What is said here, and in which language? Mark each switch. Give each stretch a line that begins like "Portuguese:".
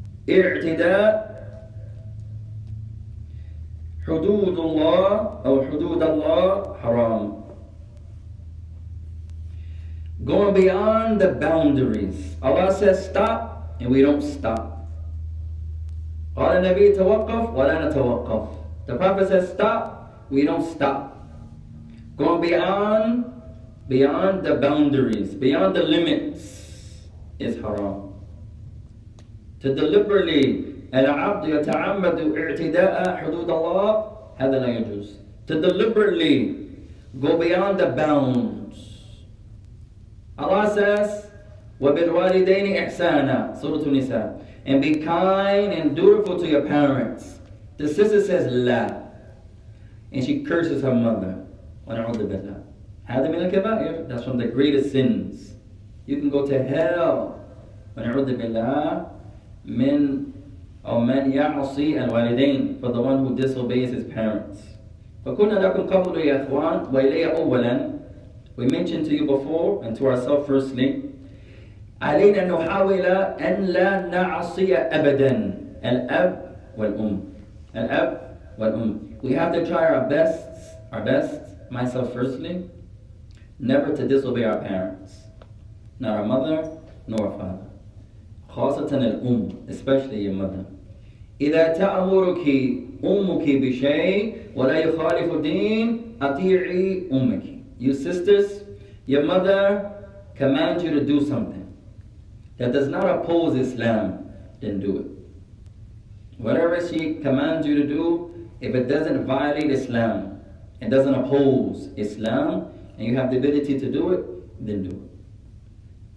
Arabic: اعتداء حدود الله أو حدود الله حرام.
English: Going beyond the boundaries. Allah says stop and we don't stop.
Arabic: قال النبي توقف ولا نتوقف.
English: The Prophet says stop, we don't stop. Going beyond the boundaries, beyond the limits is haram. To deliberately
Arabic: العبد يتعمد اعتداء حدود الله هذا لا يجوز.
English: To deliberately go beyond the bounds. Allah says
Arabic: وبالوالدين إحسانا سورة النساء.
English: And be kind and dutiful to your parents. The sister says la, and she curses her mother.
Arabic: ونعوذ بالله. هذا من الكبائر.
English: That's from the greatest sins. You can go to hell.
Arabic: ونعوذ بالله من أو من يعصي الوالدين.
English: For the one who disobeys his parents.
Arabic: فكنا لكم قبل يا إخوان وإلي أولا.
English: We mentioned to you before and to ourselves firstly.
Arabic: علينا نحاول أن لا نعصي أبدا الأب والأم. الأب والأم.
English: We have to try our best, myself firstly, never to disobey our parents, not our mother nor our father.
Arabic: خاصة الأم,
English: especially your mother.
Arabic: إذا تأمرك أمك بشيء ولا يخالف الدين أطيعي أمك.
English: You sisters, your mother commands you to do something that does not oppose Islam, then do it. Whatever she commands you to do, if it doesn't violate Islam, it doesn't oppose Islam, and you have the ability to do it, then do it.